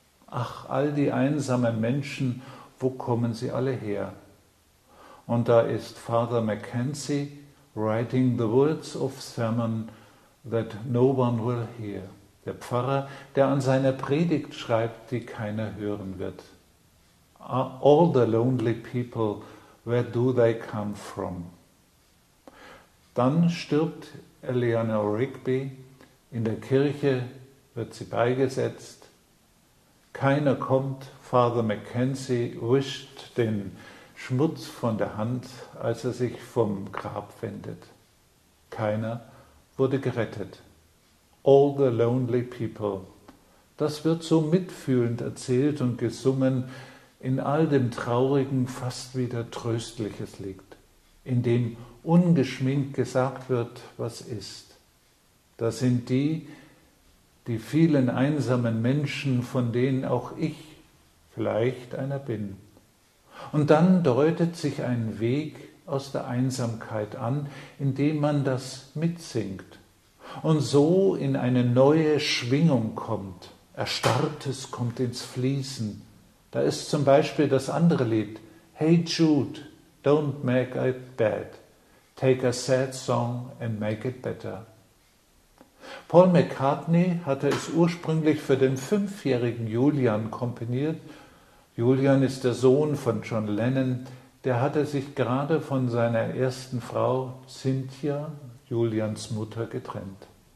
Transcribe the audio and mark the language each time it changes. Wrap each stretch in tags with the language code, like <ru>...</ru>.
<de>Ach, all die einsamen Menschen, wo kommen sie alle her? Und da ist</de> <en>Father Mackenzie writing the words of sermon that no one will hear.</en> <de>Der Pfarrer, der an seiner Predigt schreibt, die keiner hören wird.</de> <en>All the lonely people, where do they come from?</en> <de>Dann stirbt Eleanor Rigby, in der Kirche wird sie beigesetzt. Keiner kommt, Father Mackenzie wischt den Schmutz von der Hand, als er sich vom Grab wendet. Keiner wurde gerettet.</de> <en>All the lonely people.</en> <de>Das wird so mitfühlend erzählt und gesungen, in all dem Traurigen fast wieder Tröstliches liegt, in dem ungeschminkt gesagt wird, was ist. Da sind die vielen einsamen Menschen, von denen auch ich vielleicht einer bin. Und dann deutet sich ein Weg aus der Einsamkeit an, indem man das mitsingt und so in eine neue Schwingung kommt. Erstarrtes kommt ins Fließen. Da ist zum Beispiel das andere Lied,</de> <en>Hey Jude, don't make it bad. Take a sad song and make it better.</en> <de>Paul McCartney hatte es ursprünglich für den 5-jährigen Julian komponiert. Julian ist der Sohn von John Lennon. Der hatte sich gerade von seiner ersten Frau Cynthia, Julians Mutter, getrennt.</de>